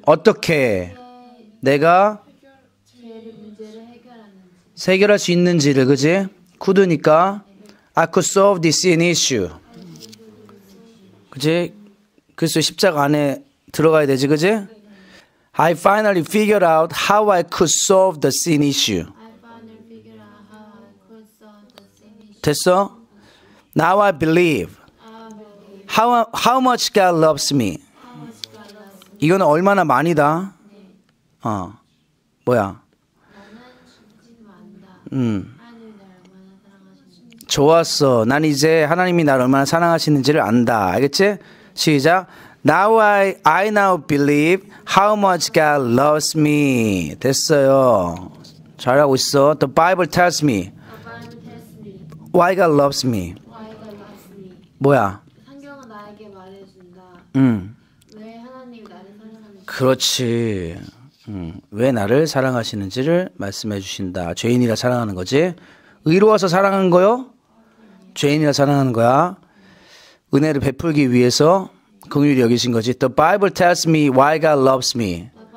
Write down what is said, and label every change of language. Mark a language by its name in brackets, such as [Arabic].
[Korean] 어떻게 내가 해결할 수 있는지를 그지? [English] 쿠드니까 I could solve this sin issue. [Korean] 그지? 그래서 십자가 안에 들어가야 되지 그지? [English] I finally figured out how I could solve the sin issue. [Korean] 됐어? [English] Now I believe. How much God loves me. [Korean] 이거는 얼마나 많이다. 네. 뭐야? 좋았어. 난 이제 하나님이 나를 얼마나 사랑하시는지를 안다. 알겠지? 시작. [English] Now I believe how much God loves me. [Korean] 됐어요. 잘하고 있어. [English] The Bible tells me. Why God loves me. [Korean] 뭐야? 성경은 나에게 말해준다. 왜 하나님이 나를 사랑하는지. 그렇지. 왜 나를 사랑하시는지를 말씀해 주신다. 죄인이라 사랑하는 거지. 의로워서 사랑하는 거요? 죄인이라 사랑하는 거야. 은혜를 베풀기 위해서 긍휼히 여기신 거지. [English] The Bible tells me why God loves me.